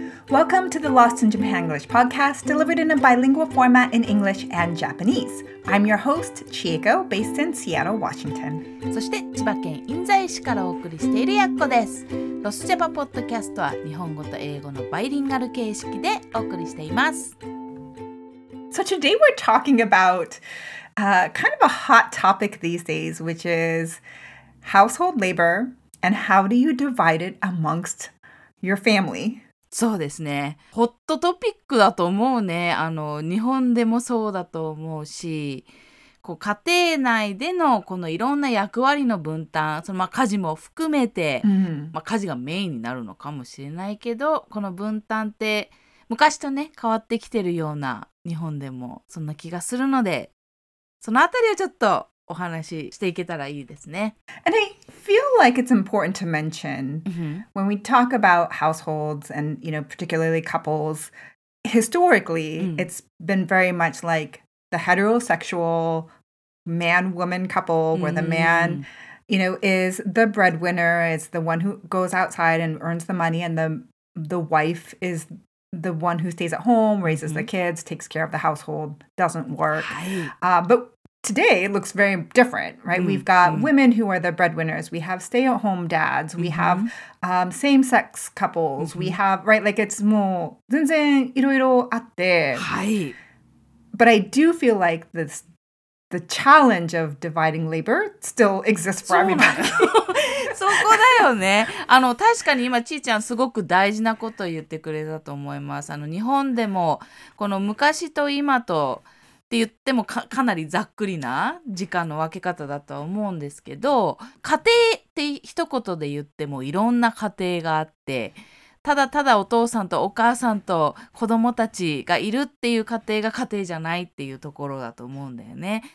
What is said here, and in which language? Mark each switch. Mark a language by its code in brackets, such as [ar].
[en] Welcome to the Lost in Japan English podcast, delivered in a bilingual format in English and Japanese. I'm your host, Chieko, based in Seattle, Washington. [ja] そして千葉県印西市からお送りしているやっこです。ロスジャパポッドキャストは日本語と英語のバイリンガル形式でお送りしています。 [en] So today we're talking about kind of a hot topic these days, which is household labor and how do you divide it amongst your family? [ja] そうですね。ホットトピックだと思うね。日本でもそうだと思うし、こう家庭内でのこのいろんな役割の分担、そのまあ家事も含めて、まあ家事がメインになるのかもしれないけど、この分担って昔とね、変わってきてるような日本でもそんな気がするので、そのあたりをちょっとお話ししていけたらいいですね。 [en] And I feel like it's important to mention、mm-hmm. when we talk about households and, you know, particularly couples, historically,、mm-hmm. it's been very much like the heterosexual man-woman couple where、mm-hmm. the man, you know, is the breadwinner, is the one who goes outside and earns the money, and the wife is the one who stays at home, raises、mm-hmm. the kids, takes care of the household, doesn't work.、But today, it looks very different, right? Mm-hmm. We've got women who are the breadwinners. We have stay-at-home dads. We、mm-hmm. have、same-sex couples.、Mm-hmm. We have, right, like it's more, [ja] 全然いろいろあって。はい。 [en] But I do feel like this, the challenge of dividing labor still exists for everybody. [ja] そこだよね。確かに今、ちーちゃんすごく大事なことを言ってくれたと思います。日本でも、この昔と今と、って言っても かなりざっくりな時間の分け方だと思うんですけど、家庭って一言で言ってもいろんな家庭があって、ただただお父さんとお母さんと子供たちがいるっていう家庭が家庭じゃないっていうところだと思うんだよね。